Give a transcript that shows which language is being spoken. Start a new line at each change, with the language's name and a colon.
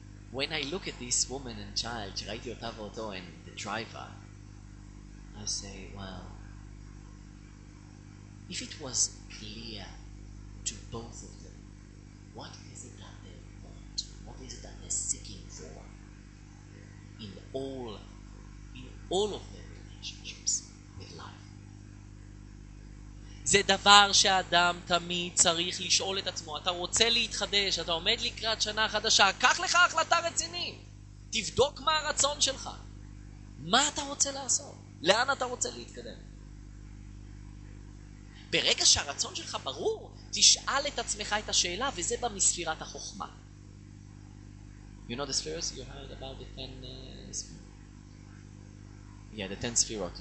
English: When I look at this woman and child,
Hebrew: שראיתי אותה ואותו,
English: and the driver, I say, well, if it was clear to both of them, what is it that they want? What is it that they're seeking for? In all of their relationships with life.
Hebrew: זה דבר שאדם תמיד צריך לשאול את עצמו. אתה רוצה להתחדש, אתה עומד לקראת שנה חדשה, קח לך החלטה רצינית. תבדוק מה הרצון שלך. מה אתה רוצה לעשות? לאן אתה רוצה להתקדם? ברגע שהרצון שלך ברור, תשאל את עצמך את השאלה, וזה בא מספירת החוכמה.
English: You know the spheres? You heard about the 10 spheres? Yeah, the 10 spheres.